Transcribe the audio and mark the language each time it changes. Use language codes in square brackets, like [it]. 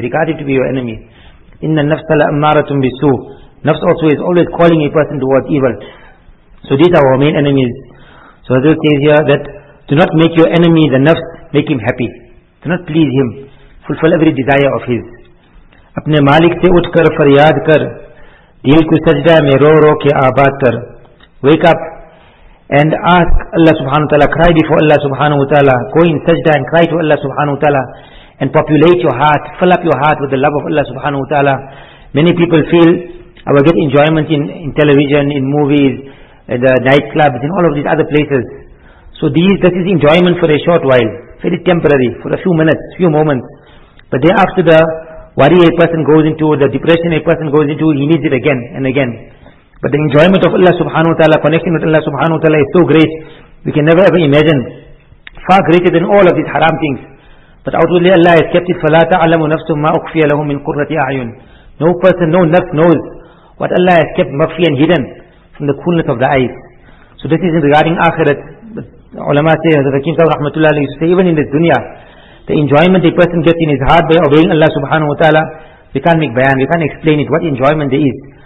[en] Regard him to be your enemy. [ar] إِنَّ النَّفْسَ لَأَمَّارَةٌ بِسُوءٍ. [en] Nafs also is always calling a person towards evil. So these are our main enemies. So Hazrat says here that, do not make your enemy the nafs, make him happy. Do not please him. Fulfill every desire of his. [ur] اپنے مالک سے اٹھ کر فریاد کر, دل کو سجدہ میں رو رو کے آباد کر. [en] Wake up and ask Allah subhanahu wa ta'ala, cry before Allah subhanahu wa ta'ala, go in sajda and cry to Allah subhanahu wa ta'ala, and populate your heart, fill up your heart with the love of Allah subhanahu wa ta'ala. Many people feel, I will get enjoyment in television, in movies, in the nightclubs, in all of these other places. So this is enjoyment for a short while, very temporary, for a few minutes, few moments. But thereafter, the worry a person goes into, the depression a person goes into, he needs it again and again. But the enjoyment of Allah subhanahu wa ta'ala, connecting with Allah subhanahu wa ta'ala is so great, we can never ever imagine. Far greater than all of these haram things. But outwardly Allah has kept it, [ar] فَلَا تَعْلَمُ نَفْسٌ مَا أُخْفِيَ لَهُمْ مِنْ قُرَّةِ أَعْيُنٍ. [en] No person, no nafs knows what Allah has kept mafi and hidden from the coolness of the eyes. So this is in regarding akhirat. The ulama say, Hazrat Hakim Sahib rahmatullah alayhi, say even in this dunya, the enjoyment a person gets in his heart by obeying Allah subhanahu wa ta'ala, we can't make bayan, we can't explain it, what enjoyment there is.